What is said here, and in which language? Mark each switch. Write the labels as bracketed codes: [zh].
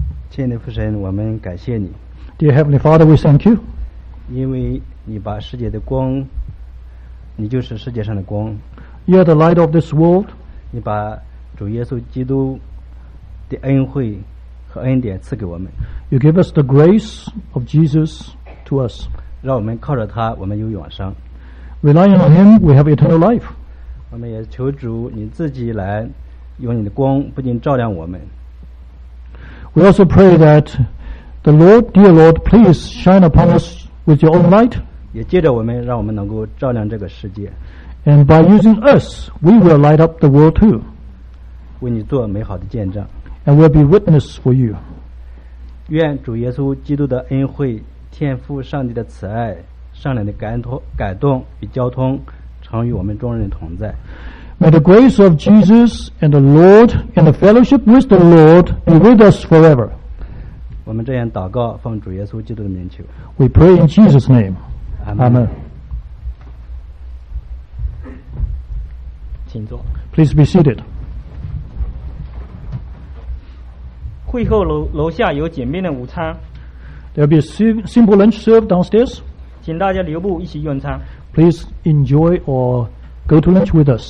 [zh] 亲爱的父神，我们感谢你。 [en] Dear Heavenly Father, we thank you. [zh] 因为你把世界的光，你就是世界上的光。 [en] You are the light of this world. [zh] 你把主耶稣基督的恩惠和恩典赐给我们。 [en] You give us the grace of Jesus to us. [zh] 让我们靠着他，我们有永生。 [en] Relying on him, we have eternal life. [zh] 我们也求主你自己来用你的光不仅照亮我们。 [en] We also pray that the Lord, dear Lord, please shine upon us with your own light. [zh] 也借着我们让我们能够照亮这个世界。 [en] And by using us, we will light up the world too. [zh] 为你做美好的见证。 [en] And we'll be witness for you. [zh] 愿主耶稣基督的恩惠、天父上帝的慈爱、圣灵的感动与交通 [en] May the grace of Jesus and the Lord and the fellowship with the Lord be with us forever. We pray in Jesus' name. Amen. Please be seated. [zh] 会后楼下有简便的午餐。 [en] There will be a simple lunch served downstairs. [zh] 请大家留步一起用餐。 [en] Please enjoy or go to lunch with us.